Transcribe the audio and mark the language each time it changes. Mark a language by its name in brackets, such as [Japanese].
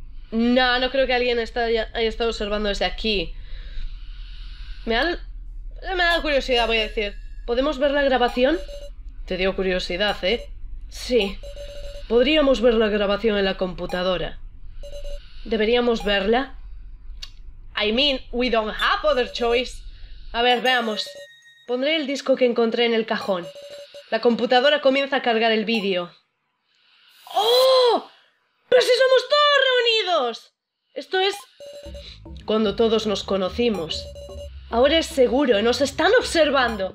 [Spanish] No creo que alguien haya estado observando desde aquí. Me ha dado curiosidad, voy a decir. ¿Podemos ver la grabación? Te dio curiosidad, ¿eh? Sí. Podríamos ver la grabación en la computadora. ¿Deberíamos verla? [English] I mean, we don't have other choice. [Spanish] A ver, veamos. Pondré el disco que encontré en el cajón. La computadora comienza a cargar el vídeo. ¡Oh! ¡Pero si somos todos reunidos! Esto es... cuando todos nos conocimos. Ahora es seguro, nos están observando.